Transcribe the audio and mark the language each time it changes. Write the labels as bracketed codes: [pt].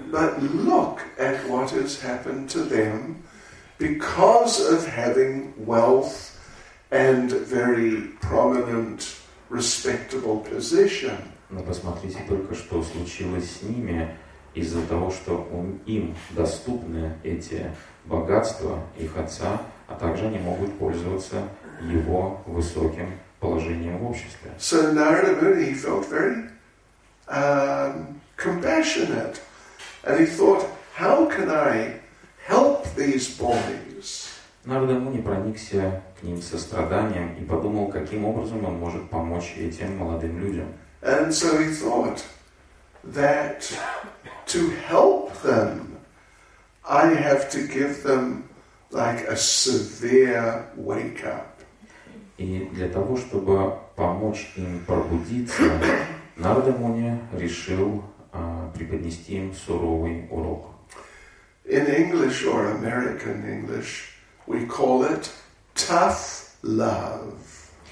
[en] But look at what has happened to them because of having wealth and very prominent respectable position. [ru] Но посмотрите только, что случилось с ними из-за того, что им доступны эти богатства их отца, а также они могут пользоваться его высоким положением в обществе. [en] So Narada Muni felt very compassionate, and he thought, how can I help these boys? [ru] Нарада Муни проникся к ним состраданием и подумал, каким образом он может помочь этим молодым людям. [en] And so he thought that to help them, I have to give them like a severe wake up. [ru] И для того, чтобы помочь им пробудиться, Нарада Муни решил преподнести им суровый урок. [en] In English or American English, we call it tough love.